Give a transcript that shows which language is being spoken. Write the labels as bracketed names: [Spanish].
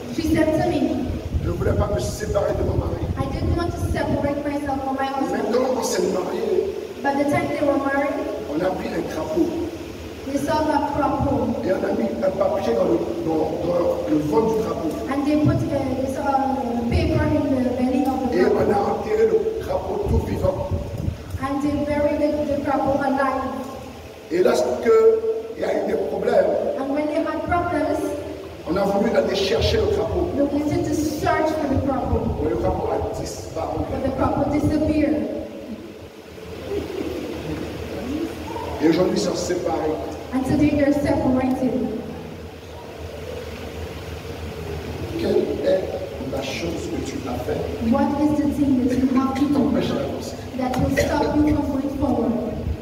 [English] She said to me. [French] Je ne voulais pas me séparer de mon mari. [English] I didn't want to separate myself from my husband. [French] Maintenant qu'on s'est marié. [English] By the time they were married. [French] On a pris un crapaud. [English] We saw that crapaud. [French] Et on a mis un papier dans le vent du crapaud. [English] And they put some paper in the belly of the crapaud. [French] Et on a enterré le crapaud tout vivant. [English] And they buried the crapaud alive. [French] Et lorsque il y a eu des problèmes. [English] And when they had problems, [French] on a voulu aller chercher le crapaud. [English] We wanted to search for the crapaud. [French] Mais le crapaud a disparu. [English] But the crapaud disappeared. [French] Et aujourd'hui, ils sont séparés. [English] And today they're separated. [French] Quelle est la chose que tu as fait? [English] What is the thing that you have to do that will stop you from going forward?